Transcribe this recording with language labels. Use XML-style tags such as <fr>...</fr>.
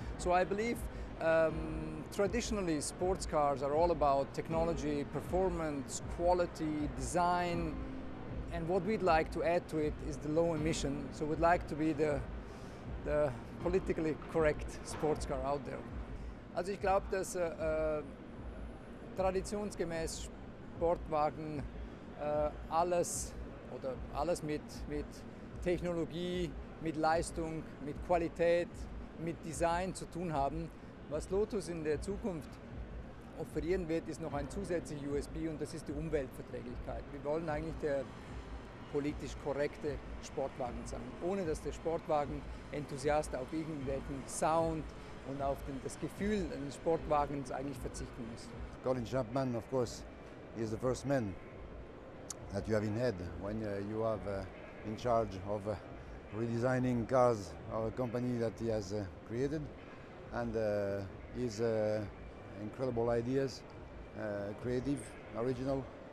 <en>So I believe traditionally sports cars are all about technology, performance, quality, design, and what we'd like to add to it is the low emission. So we'd like to be the politically correct sports car out there.</en> <de>Also ich glaube, dass traditionsgemäß Sportwagen alles mit Technologie, mit Leistung, mit Qualität, mit Design zu tun haben. Was Lotus in der Zukunft offerieren wird, ist noch ein zusätzlicher USB, und das ist die Umweltverträglichkeit. Wir wollen eigentlich der politisch korrekte Sportwagen sein, ohne dass der Sportwagen-Enthusiast auf irgendwelchen Sound und auf den, das Gefühl eines Sportwagens eigentlich verzichten muss.</de> <en>Colin Chapman, of course, he is the first man that you have in head when you have in charge of redesigning cars of a company that he has created, and his incredible ideas, creative, original.</en>